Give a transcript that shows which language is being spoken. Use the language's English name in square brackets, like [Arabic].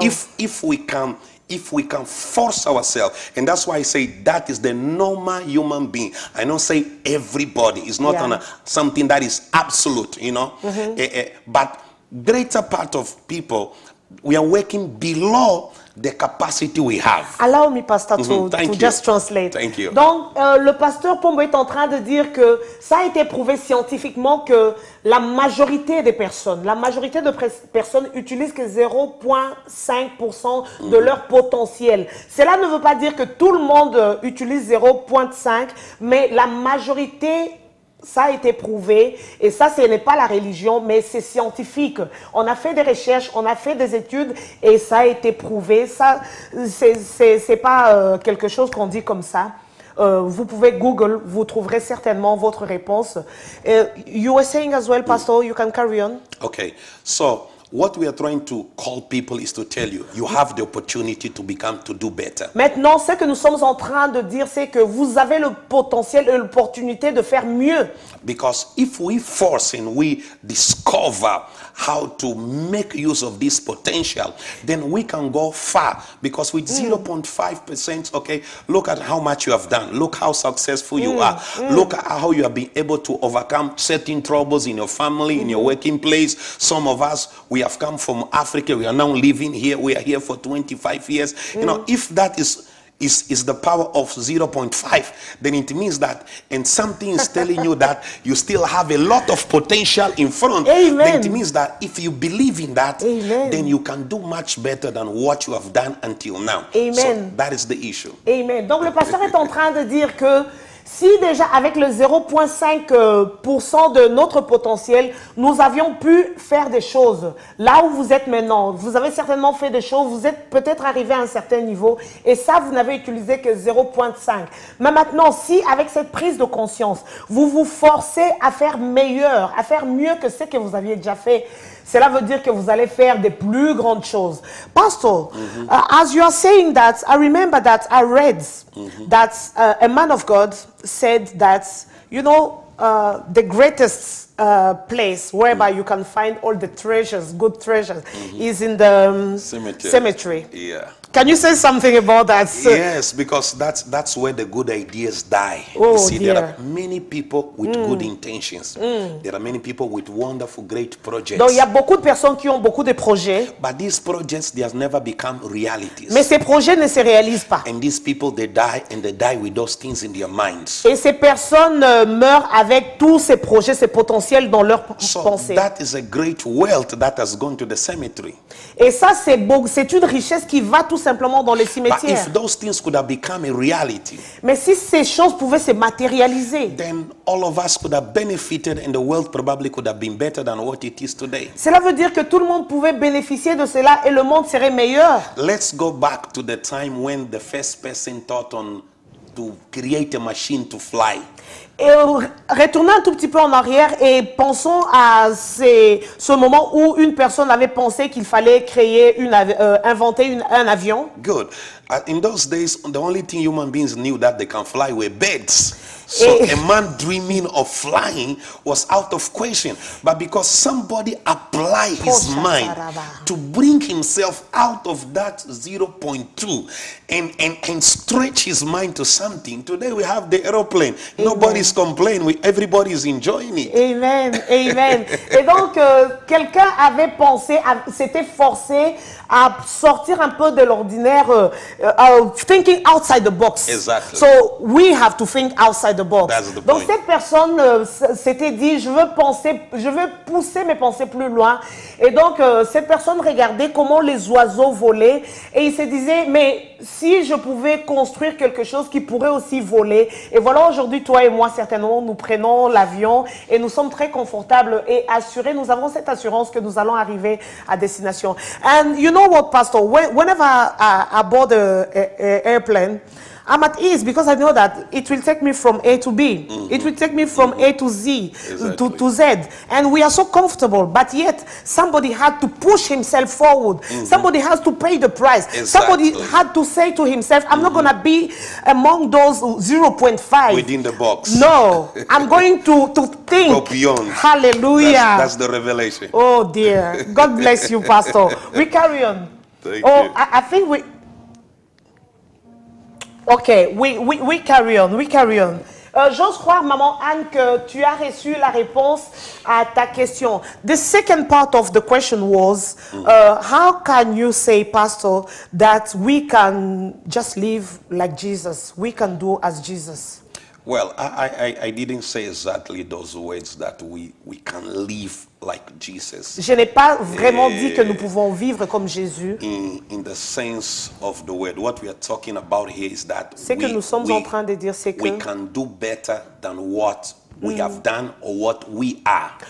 [English] if we can force ourselves, and that's why I say that is the normal human being. I don't say everybody. It's not yeah. something that is absolute, you know. Mm-hmm. But greater part of people, we are working below the capacity we have. Allow me, Pastor, mm-hmm. to just translate. Thank you. [French] Donc, le pasteur Pombo est en train de dire que ça a été prouvé scientifiquement que la majorité de personnes utilisent que 0,5% mm-hmm. de leur potentiel. Cela ne veut pas dire que tout le monde utilise 0,5, mais la majorité, ça a été prouvé, et ça, ce n'est pas la religion, mais c'est scientifique. On a fait des recherches, on a fait des études, et ça a été prouvé. Ça, c'est pas quelque chose qu'on dit comme ça. Vous pouvez Google, vous trouverez certainement votre réponse. [English] You were saying as well, Pastor, you can carry on. Okay, so what we are trying to call people is to tell you, you have the opportunity to become, to do better. Maintenant, ce que nous sommes en train de dire, c'est que vous avez le potentiel et l'opportunité de faire mieux. Because if we force and we discover how to make use of this potential, then we can go far. Because with 0.5%, okay, look at how much you have done. Look how successful you are. Look at how you have been able to overcome certain troubles in your family, in your working place. Some of us, we have come from Africa. We are now living here. We are here for 25 years. You know, if that is the power of 0.5, then it means that, and something is telling you that you still have a lot of potential in front. Amen. Then it means that if you believe in that, Amen. Then you can do much better than what you have done until now. Amen. So that is the issue. Amen. [French] Donc le pasteur est en train de dire que si déjà avec le 0.5% de notre potentiel, nous avions pu faire des choses là où vous êtes maintenant, vous avez certainement fait des choses, vous êtes peut-être arrivé à un certain niveau et ça, vous n'avez utilisé que 0.5. Mais maintenant, si avec cette prise de conscience, vous vous forcez à faire meilleur, à faire mieux que ce que vous aviez déjà fait, cela veut dire que vous allez faire des plus grandes choses. [English] Pastor, as you are saying that, I remember that I read that a man of God said that, you know, the greatest place whereby you can find all the treasures, good treasures, is in the cemetery. Yeah. Can you say something about that? Yes, because that's where the good ideas die. Oh, you see, dear. There are many people with good intentions. There are many people with wonderful, great projects. [French] Donc, il y a beaucoup de personnes qui ont beaucoup de projets. [English] But these projects, they have never become realities. [French] Mais ces projets ne se réalisent pas. [English] And these people, they die, and they die with those things in their minds. [French] Et ces personnes meurent avec tous ces projets, ces potentiels dans leur pensée. [English] So that is a great wealth that has gone to the cemetery. [French] Et ça, c'est une richesse qui va tout simplement dans les cimetières. [English] But if those things could have become a reality, [French] mais si ces choses pouvaient se matérialiser, [English] then all of us could have benefited and the world probably could have been better than what it is today. [French] Cela veut dire que tout le monde pouvait bénéficier de cela et le monde serait meilleur. [English] Let's go back to the time when the first person thought on to create a machine to fly. [French] Et retournons un tout petit peu en arrière et pensons à ce moment où une personne avait pensé qu'il fallait créer inventer un avion. [English] Good. In those days, the only thing human beings knew that they can fly were birds. So a man dreaming of flying was out of question. But because somebody applied his mind to bring himself out of that 0.2 and stretch his mind to something, today we have the aeroplane. Nobody's complaining. Everybody is enjoying it. [French] Amen. Amen. Et donc, quelqu'un avait pensé, s'était forcé à sortir un peu de l'ordinaire, [English] thinking outside the box. Exactly. So we have to think outside the box. That's the [French] Donc [English] point. [French] Cette personne s'était dit, je veux pousser mes pensées plus loin. Et donc cette personne regardait comment les oiseaux volaient et il se disait, mais si je pouvais construire quelque chose qui pourrait aussi voler. Et voilà, aujourd'hui toi et moi certainement nous prenons l'avion et nous sommes très confortables et assurés. Nous avons cette assurance que nous allons arriver à destination. [English] And you know what, Pastor? Whenever I board an airplane, I'm at ease because I know that it will take me from A to B. It will take me from A to Z, exactly. to Z. And we are so comfortable. But yet, somebody had to push himself forward. Somebody has to pay the price. Exactly. Somebody had to say to himself, I'm not going to be among those 0.5. Within the box. No. I'm going to think. Go beyond. Hallelujah. That's the revelation. Oh, dear. God bless you, Pastor. We carry on. Thank you. I think we... Ok, we carry on, we carry on. [French] J'ose croire, maman Anne, que tu as reçu la réponse à ta question. [English] The second part of the question was, how can you say, Pastor, that we can just live like Jesus? We can do as Jesus? Well, I didn't say exactly those words that we can live like Jesus. [French] Je n'ai pas vraiment dit que nous pouvons vivre comme Jésus. [English] In the sense of the word, what we are talking about here is that we can do better than what we have done or what we are.